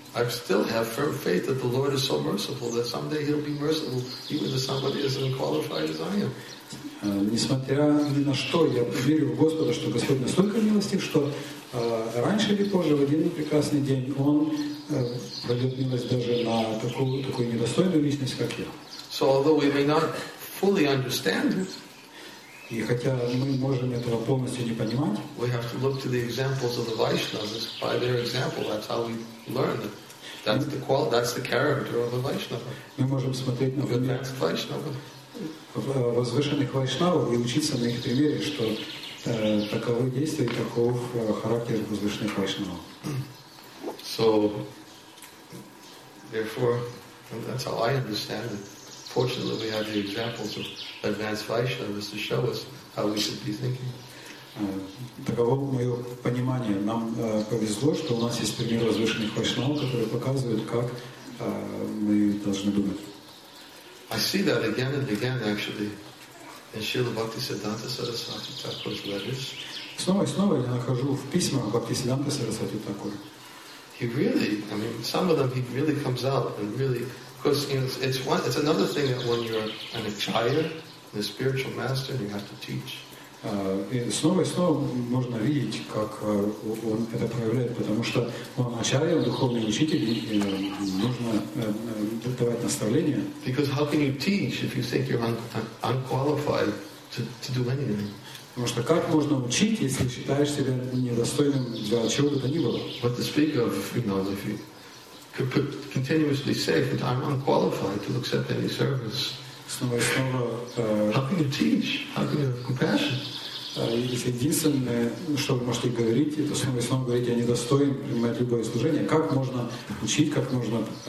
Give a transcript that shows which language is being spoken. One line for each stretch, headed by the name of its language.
English: I still have firm faith that the Lord is so merciful that someday He'll be merciful even to somebody as unqualified as I am.
Russian: Несмотря ни на что, я верю в Господа, что Господь настолько милостив, что раньше или позже, в один прекрасный день, Он пройдет милость даже на такую недостойную личность, как я.
English: So although we may not fully understand it,
Russian: и хотя мы можем этого полностью не понимать,
English: we have to look to the examples of the Vaishnavas. By their example, that's how we learn it. That's the character of a Vaishnava.
Russian: Мы можем смотреть на
English: Vaishnava.
Russian: Возвышенных вайшнавов и учиться на их примере, что таковы действия и таков характер возвышенных вайшнавов.
English: So, therefore, and that's how I understand it. Fortunately, we have the examples of advanced vaishnavas to show us how we should be thinking.
Russian: Таково мое понимание. Нам повезло, что у нас есть пример возвышенных вайшнавов, которые показывают, как мы должны думать.
English: I see that again and again, actually, in Śrīla Bhaktisiddhānta Sarasvati Thakura's letters.
Russian: Снова и снова я нахожу в письмах Бхактисиддханта Сарасвати Такура.
English: He really, I mean, some of them he really comes out and really, because you know, it's another thing that when you're an acharya, the spiritual master, you have to teach.
Russian: Снова и снова можно видеть, как он это проявляет, потому что он ачарья, он духовный учитель, и нужно давать наставления.
English: Because how can you teach if you think you're unqualified to do anything?
Russian: Потому что как можно учить, если считаешь себя недостойным для чего бы то ни было?
English: But to speak of, you know, if you continuously say that I'm unqualified to accept any service.
Russian: Снова и снова,
English: how can you teach? How can you have compassion?
Russian: Если единственное, что вы можете говорить, это снова и снова говорить, я недостоин принимать любое служение. Как можно учить, как можно...